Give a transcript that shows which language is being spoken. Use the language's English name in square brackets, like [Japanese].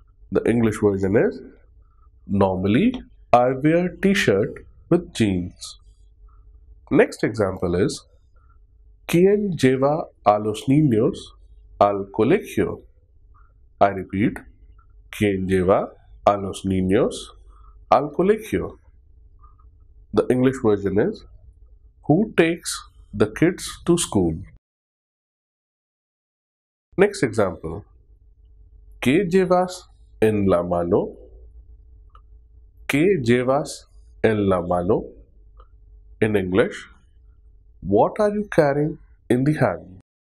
[English] The English version is, normally I wear t-shirt with jeans. Next example is, [Spanish] ¿quién lleva a los niños al colegio? [English] I repeat, [Spanish] ¿quién lleva a los niños al colegio? [English] The English version is, who takes the kids to school? Next example, [Spanish] ¿qué llevas en la mano? ¿Qué llevas en la mano? [English] In English, what are you carrying in the hand?